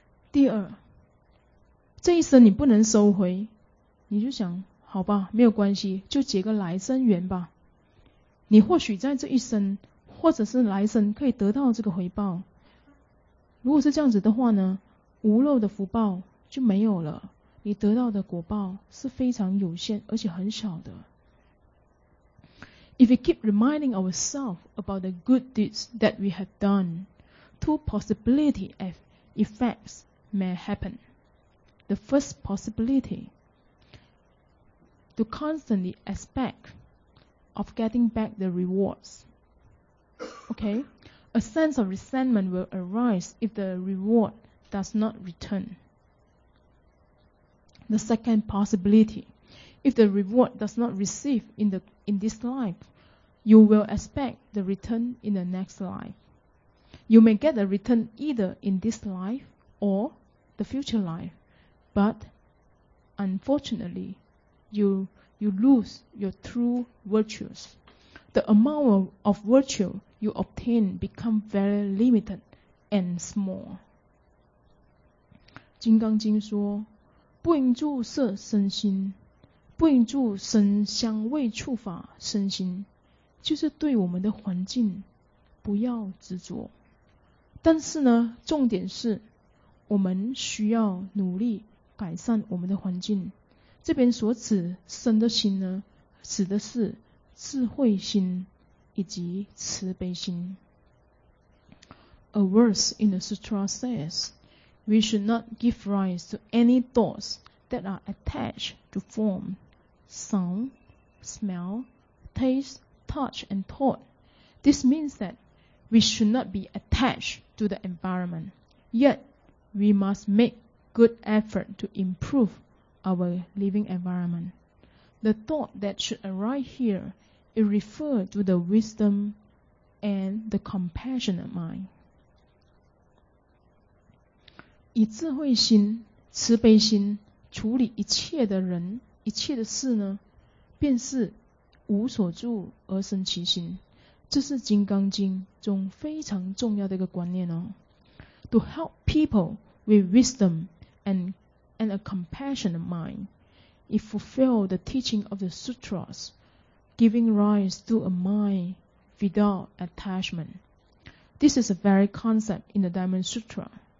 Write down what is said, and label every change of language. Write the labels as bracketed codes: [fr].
[zh] 第二，这一生你不能收回，你就想好吧，没有关系，就结个来生缘吧，你或许在这一生或者是来生可以得到这个回报。如果是这样子的话呢，无漏的福报就没有了，你得到的果报是非常有限而且很小的。 [en] If we keep reminding ourselves about the good deeds that we have done, two possibility of effects may happen. The first possibility, to constantly expect of getting back the rewards. Okay? A sense of resentment will arise if the reward does not return. The second possibility, if the reward does not receive in this life,You will expect the return in the next life. You may get the return either in this life or the future life, but unfortunately, you lose your true virtues. The amount of virtue you obtain become very limited and small. [zh] 金刚经说，不应住色身心，不应住身香味触法身心。就是对我们的环境不要执着，但是呢，重点是我们需要努力改善我们的环境。这边所指生的心呢，指的是智慧心以及慈悲心。 [en] A verse in the sutra says, "We should not give rise to any thoughts that are attached to form, sound, smell, taste." Touch and thought. This means that we should not be attached to the environment. Yet, we must make good effort to improve our living environment. The thought that should arise here is referred to the wisdom and the compassionate mind. [zh] 以智慧心、慈悲心处理一切的人、一切的事呢，便是。无所住而生其心，这是《金刚经》中非常重要的一个观念哦。 [en] To help people with wisdom and a compassionate mind, it fulfills the teaching of the sutras, giving rise to a mind without attachment. This is a very concept in the Diamond Sutra.